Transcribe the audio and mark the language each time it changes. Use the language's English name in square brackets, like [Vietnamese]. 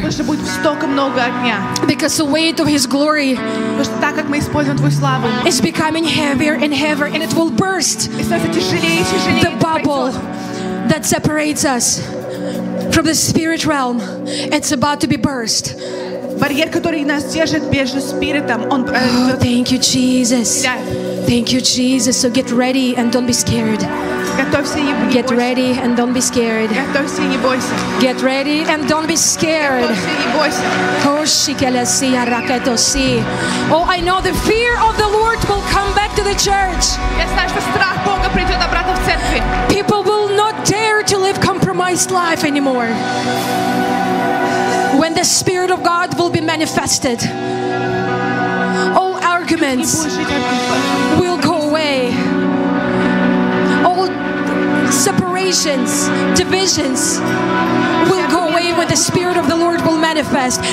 [English] Because the weight of His glory is becoming heavier and heavier, and it will burst the bubble that separates us from the spirit realm. It's about to be burst. [Russian] Барьер, который нас держит между спиритом, он... [English] Thank you, Jesus. Thank you, Jesus. So get ready and don't be scared. [Russian] Готовься, не бойся. [English] Get ready and don't be scared. [Russian] Готовься, не бойся. [English] Get ready and don't be scared. [Russian] Готовься, не бойся. Oh, ракето си. [English] Oh, I know the fear of the Lord will come back to the church. [Russian] Я знаю, что страх Бога придет обратно в церкви. [English] People will not dare to live compromised life anymore. When the Spirit of God will be manifested, all arguments will go away. All separations, divisions will go away when the Spirit of the Lord will manifest.